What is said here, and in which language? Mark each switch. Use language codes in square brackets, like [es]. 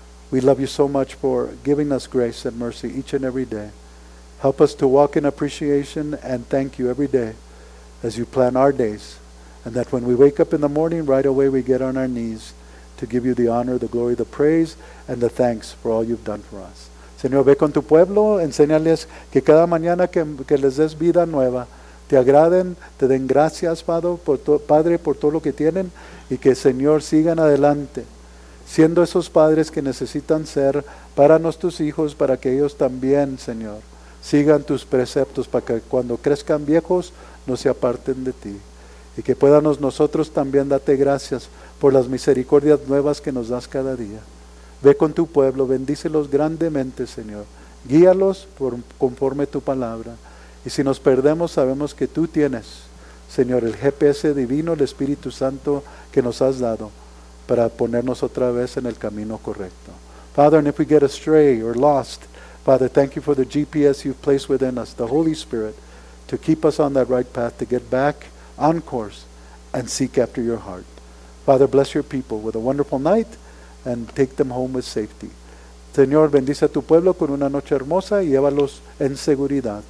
[en] We love you so much for giving us grace and mercy each and every day. Help us to walk in appreciation and thank you every day as you plan our days. And that when we wake up in the morning, right away we get on our knees to give you the honor, the glory, the praise, and the thanks for all you've done for us. [es] Señor, ve con tu pueblo, enséñales que cada mañana que les des vida nueva, te agraden, te den gracias, Padre, por todo lo que tienen, y que, Señor, sigan adelante, siendo esos padres que necesitan ser para nuestros hijos, para que ellos también, Señor, sigan tus preceptos, para que cuando crezcan viejos, no se aparten de ti. Y que podamos nosotros también darte gracias por las misericordias nuevas que nos das cada día. Ve con tu pueblo, bendícelos grandemente, Señor. Guíalos conforme tu palabra. Y si nos perdemos, sabemos que tú tienes, Señor, el GPS divino, el Espíritu Santo que nos has dado para ponernos otra vez en el camino correcto. [en] Father, and if we get astray or lost, Father, thank you for the GPS you've placed within us, the Holy Spirit, to keep us on that right path, to get back on course and seek after your heart. Father, bless your people with a wonderful night and take them home with safety. [es] Señor, bendice a tu pueblo con una noche hermosa y llévalos en seguridad.